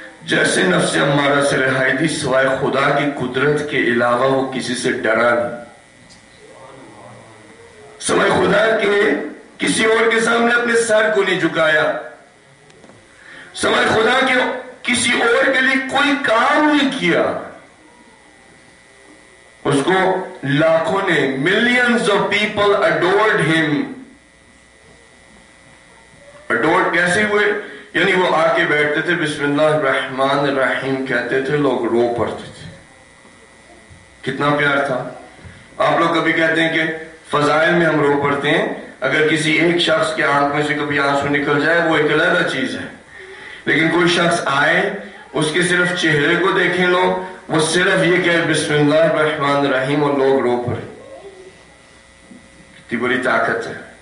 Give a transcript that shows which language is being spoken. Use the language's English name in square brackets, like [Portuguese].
[Urdu] جیسے نفس امارہ سے رہائی دی, سوائے خدا کی قدرت کے علاوہ وہ کسی سے ڈرا نہیں, سوائے خدا کے کسی اور کے سامنے اپنے سر کو نہیں جھکایا, سوائے خدا کے کسی اور کے لیے کوئی کام نہیں کیا. اس کو لاکھوں نے, [English] millions of people adored him. [Urdu] Adored کیسے ہوئے؟ یعنی وہ آ کے بیٹھتے تھے, بسم اللہ الرحمن الرحیم کہتے تھے, لوگ رو پڑتے تھے. کتنا پیار تھا. آپ لوگ کبھی کہتے ہیں کہ فضائل میں ہم رو پڑتے ہیں, اگر کسی ایک شخص کے آنکھ میں سے کبھی آنسو نکل جائے وہ ایک علیحدہ چیز ہے, لیکن کوئی شخص آئے اس کے صرف چہرے کو دیکھیں لوگ, وہ صرف یہ کہے بسم اللہ الرحمن الرحیم اور لوگ رو پڑے, کتنی بڑی طاقت ہے.